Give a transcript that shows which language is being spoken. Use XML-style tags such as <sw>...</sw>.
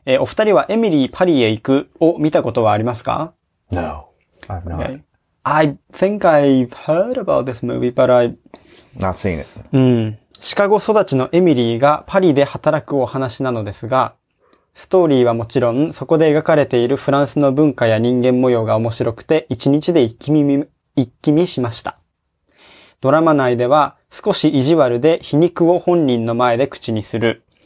<ja>お二人はエミリーパリへ行くを見たことはありますか?</ja> <en>No, I've not. Okay. I think I've heard about this movie, but I've not seen it.</en> <ja>シカゴ育ちのエミリーがパリで働くお話なのですが、ストーリーはもちろん、そこで描かれているフランスの文化や人間模様が面白くて、一日で一気見しました。ドラマ内では少し意地悪で皮肉を本人の前で口にする。</ja>